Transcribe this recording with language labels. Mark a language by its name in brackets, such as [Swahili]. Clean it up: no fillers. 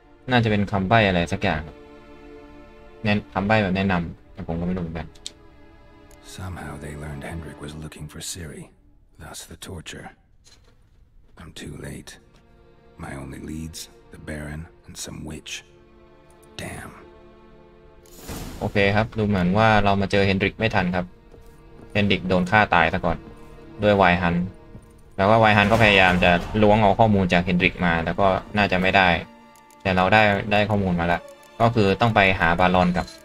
[Thai] น่าจะเป็นคำใบ้อะไรสักอย่างแนะคำใบ้แบบแนะนำแต่ผมก็ไม่รู้เหมือนกัน [English] Somehow they learned Hendrik was looking for Siri. Thus the torture. I'm too late. My only leads, the Baron, and some witch. Damn. [Thai] โอเคครับดูเหมือนว่าเรามาเจอเฮนดริกไม่ทันครับเฮนดริกโดนฆ่าตายซะก่อนด้วยไวฮันแล้วก็ไวฮันก็พยายามจะล้วงเอาข้อมูลจากเฮนดริกมาแล้วก็น่าจะไม่ได้แต่เราได้ข้อมูลมาแล้วก็คือต้องไปหาบารอนกับ